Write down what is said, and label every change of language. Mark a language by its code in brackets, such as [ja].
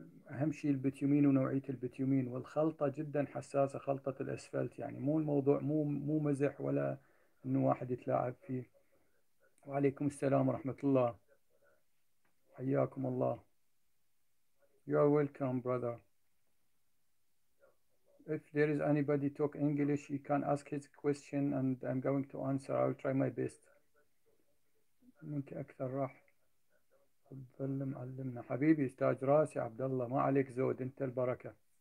[ar] أهم شيء البتيومين ونوعية البتيومين، والخلطة جدا حساسة، خلطة الأسفلت. يعني مو الموضوع مو مزح ولا إنه واحد يتلاعب فيه. وعليكم السلام ورحمة الله، حياكم الله. [en] You're welcome brother. If there is anybody talk English, you can ask his question and I'm going to answer. I'll try my best. [ar] ممكن أكثر راح ظل معلمنا حبيبي استاذ راسي عبد الله، ما عليك زود، انت البركه.